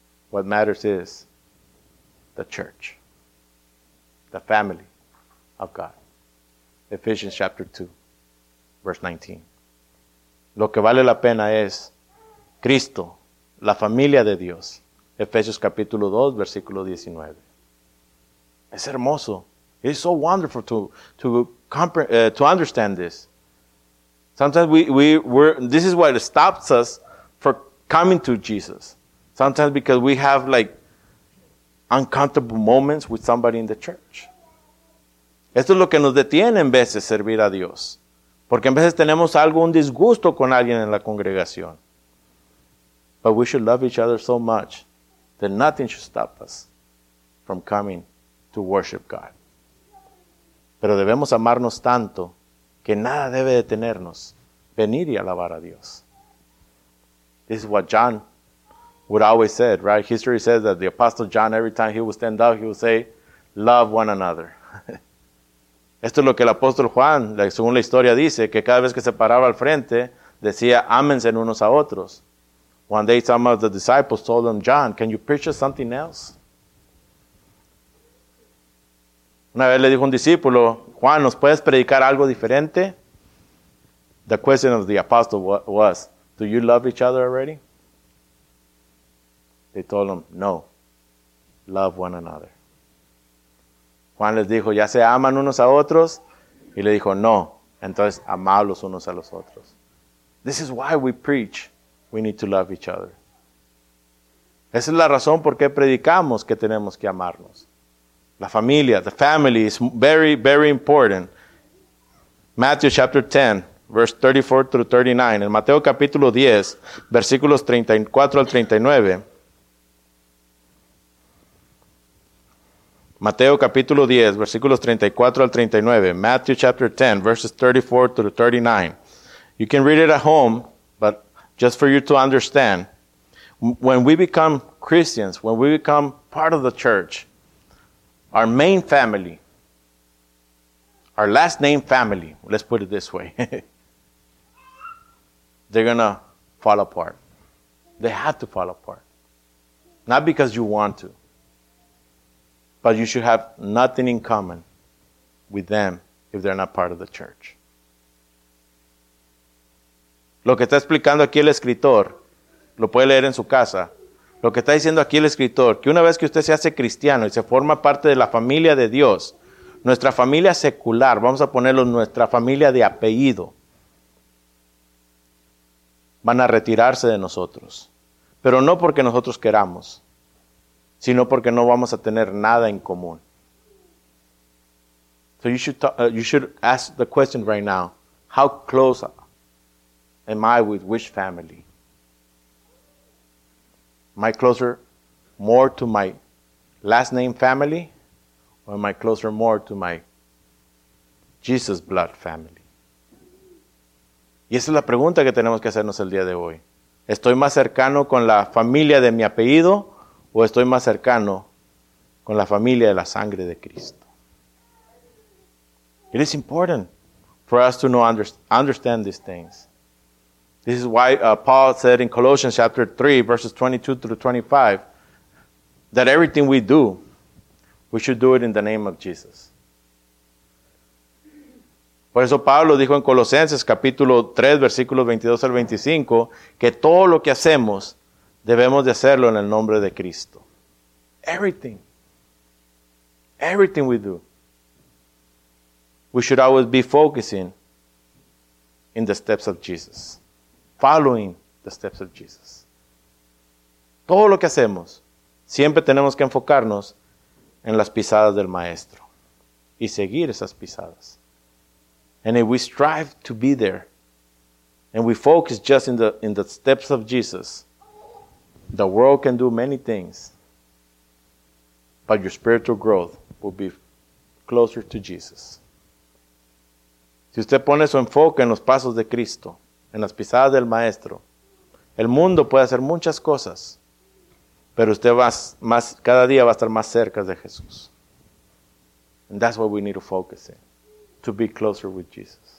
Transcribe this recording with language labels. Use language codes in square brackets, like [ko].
[en] What matters is the church, the family of God. Ephesians chapter 2, verse 19. [es] Lo que vale la pena es Cristo, la familia de Dios. Ephesians capítulo 2, versículo 19. Es hermoso. [en] It is so wonderful to understand this. Sometimes we're this is what stops us from coming to Jesus. Sometimes because we have like uncomfortable moments with somebody in the church. [es] Esto es lo que nos detiene en veces servir a Dios. Porque en veces tenemos algo, un disgusto con alguien en la congregación. [en] But we should love each other so much that nothing should stop us from coming to worship God. [es] Pero debemos amarnos tanto que nada debe detenernos, venir y alabar a Dios. [en] This is what John would always say, right? History says that the Apostle John, every time he would stand up, he would say, love one another. [es] Esto es lo que el apóstol Juan, según la historia, dice, que cada vez que se paraba al frente, decía, ámense unos a otros. [en] One day some of the disciples told him, John, can you preach us something else? [es] Una vez le dijo un discípulo, Juan, ¿nos puedes predicar algo diferente? [en] The question of the apostle was, do you love each other already? They told him, no, love one another. [es] Juan les dijo, ¿ya se aman unos a otros? Y le dijo, no, entonces amarlos unos a los otros. [en] This is why we preach, we need to love each other. [es] Esa es la razón por qué predicamos que tenemos que amarnos. La familia, [en] the family is very, very important. Matthew chapter 10, verse 34 through 39. [es] En Mateo capítulo 10, versículos 34 al 39. Mateo capítulo 10, versículos 34 al 39. [en] Matthew chapter 10, verses 34 through 39. You can read it at home, but just for you to understand, when we become Christians, when we become part of the church, our main family, our last name family, let's put it this way, they're going to fall apart. They have to fall apart. Not because you want to, but you should have nothing in common with them if they're not part of the church. [es] Lo que está explicando aquí el escritor, lo puede leer en su casa. Lo que está diciendo aquí el escritor, que una vez que usted se hace cristiano y se forma parte de la familia de Dios, nuestra familia secular, vamos a ponerlo nuestra familia de apellido, van a retirarse de nosotros. Pero no porque nosotros queramos, sino porque no vamos a tener nada en común. [en] So you should ask the question right now, how close am I with which family? Am I closer more to my last name family or am I closer more to my Jesus blood family? [es] Y esa es la pregunta que tenemos que hacernos el día de hoy. ¿Estoy más cercano con la familia de mi apellido o estoy más cercano con la familia de la sangre de Cristo? [en] It is important for us to know, understand these things. This is why Paul said in Colossians chapter 3, verses 22 through 25, that everything we do, we should do it in the name of Jesus. [es] Por eso Pablo dijo en Colosenses capítulo 3, versículos 22 al 25, que todo lo que hacemos debemos de hacerlo en el nombre de Cristo. [en] Everything. Everything we do. We should always be focusing in the steps of Jesus. Following the steps of Jesus. [es] Todo lo que hacemos, siempre tenemos que enfocarnos en las pisadas del Maestro y seguir esas pisadas. [en] And if we strive to be there and we focus just in the steps of Jesus, the world can do many things, but your spiritual growth will be closer to Jesus. [es] Si usted pone su enfoque en los pasos de Cristo, en las pisadas del Maestro, el mundo puede hacer muchas cosas, pero usted cada día va a estar más cerca de Jesús. [en] And that's what we need to focus in, to be closer with Jesus.